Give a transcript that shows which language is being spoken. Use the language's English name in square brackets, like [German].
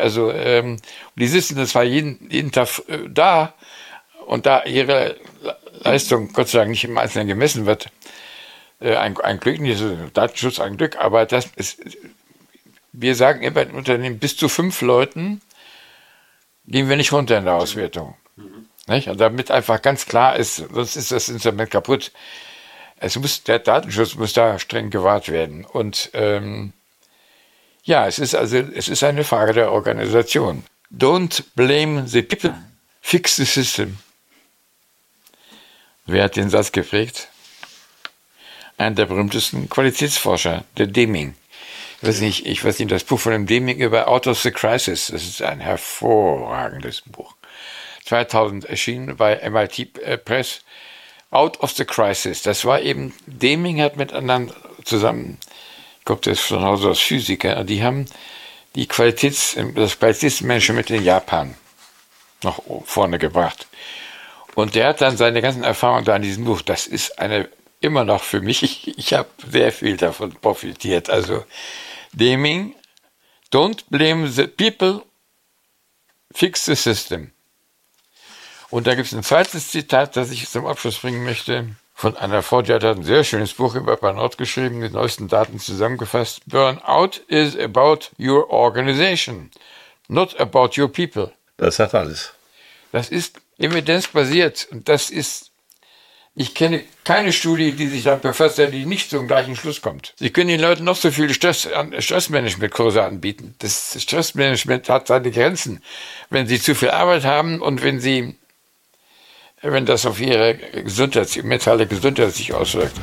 [German] Also die sitzen zwar jeden Tag da und da ihre Leistung Gott sei Dank nicht im Einzelnen gemessen wird, ein Glück, nicht Datenschutz, ein Glück, aber das ist, wir sagen immer in Unternehmen, bis zu 5 Leuten gehen wir nicht runter in der Auswertung. Nicht? Und damit einfach ganz klar ist, sonst ist das Instrument kaputt. Der Datenschutz muss da streng gewahrt werden. Und es ist eine Frage der Organisation. [English] Don't blame the people, fix the system. [German] Wer hat den Satz geprägt? Einer der berühmtesten Qualitätsforscher, der Deming. Ich weiß nicht, das Buch von dem Deming über Out of the Crisis, das ist ein hervorragendes Buch. 2000 erschienen bei MIT Press, Out of the Crisis. Das war eben, Deming hat miteinander zusammen, ich glaube, das ist von Hause aus Physiker, die haben das Qualitätsmanagement in Japan noch vorne gebracht. Und der hat dann seine ganzen Erfahrungen da in diesem Buch. Das ist eine immer noch für mich, ich habe sehr viel davon profitiert. [English] Also Deming, don't blame the people, fix the system. [German] Und da gibt es ein zweites Zitat, das ich zum Abschluss bringen möchte, von Anna Ford. Die hat ein sehr schönes Buch über Burnout geschrieben, die neuesten Daten zusammengefasst. [English] Burnout is about your organization, not about your people. [German] Das sagt alles. Das ist evidenzbasiert. Und das ist, ich kenne keine Studie, die sich da befasst, die nicht zum gleichen Schluss kommt. Sie können den Leuten noch so viele Stressmanagement-Kurse anbieten. Das Stressmanagement hat seine Grenzen. Wenn sie zu viel Arbeit haben und wenn das auf ihre Gesundheit, mentale Gesundheit sich auswirkt.